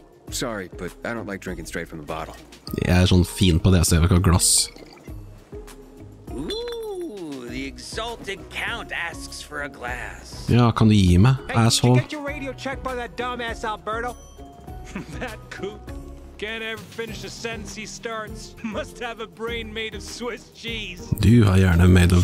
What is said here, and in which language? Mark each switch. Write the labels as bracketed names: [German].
[English] Sorry, but I don't like drinking straight from the bottle. [Norwegian] Jeg er sånn fin på det, så jeg vil ikke ha glass. [English] Ooh, the exalted count asks for a glass. [Norwegian] Ja, kan du gi meg, [English] asshole? Hey, did you get your radio checked by that dumbass Alberto? That kook. Can't ever finish a sentence he starts. Must have a brain made of Swiss cheese. [Norwegian] Du har gjerne [English] made of...